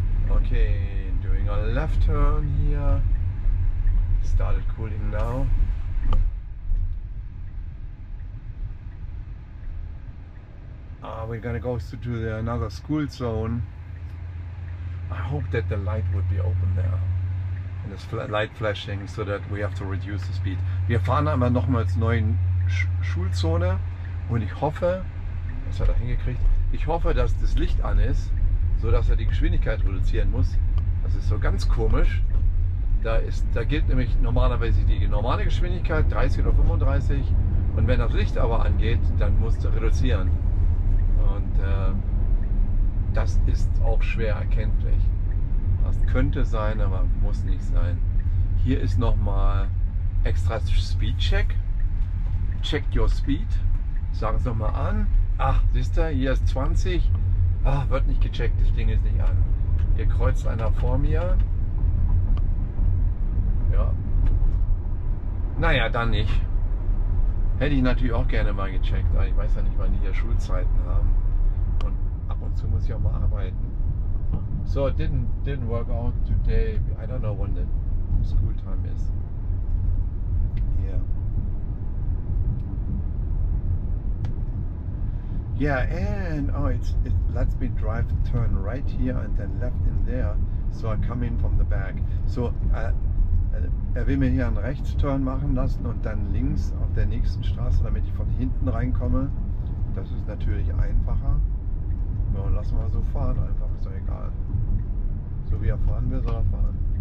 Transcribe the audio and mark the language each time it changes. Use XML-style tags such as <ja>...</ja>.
<en>Okay, doing a left turn here. Started cooling now. We're gonna go to the another school zone. I hope that the light would be open there. And this light flashing, so that we have to reduce the speed.</en> <de>Wir fahren einmal nochmals neue Schulzone und ich hoffe, das hat er hingekriegt. Ich hoffe, dass das Licht an ist, so dass er die Geschwindigkeit reduzieren muss. Das ist so ganz komisch. Da gilt nämlich normalerweise die normale Geschwindigkeit, 30 oder 35. Und wenn das Licht aber angeht, dann muss er reduzieren. Und das ist auch schwer erkenntlich. Das könnte sein, aber muss nicht sein. Hier ist nochmal extra Speed Check.</de> <en>Check your speed.</en> <de>Sagen Sie nochmal an. Ach, siehst du, hier ist 20. Ah, wird nicht gecheckt, das Ding ist nicht an. Hier kreuzt einer vor mir. Ja. Naja, dann nicht. Hätte ich natürlich auch gerne mal gecheckt, aber ich weiß ja nicht, wann die hier Schulzeiten haben. Und ab und zu muss ich auch mal arbeiten.</de> <en>So, it didn't work out today. I don't know when the school time is. Yeah. Yeah, and oh, it lets me drive, turn right here and then left in there, so I come in from the back.</en> <de>So, er will mir hier einen Rechtsturn machen lassen und dann links auf der nächsten Straße, damit ich von hinten reinkomme. Das ist natürlich einfacher. Ja, lassen wir so fahren einfach, ist doch egal. So wie er fahren will, soll er fahren.</de>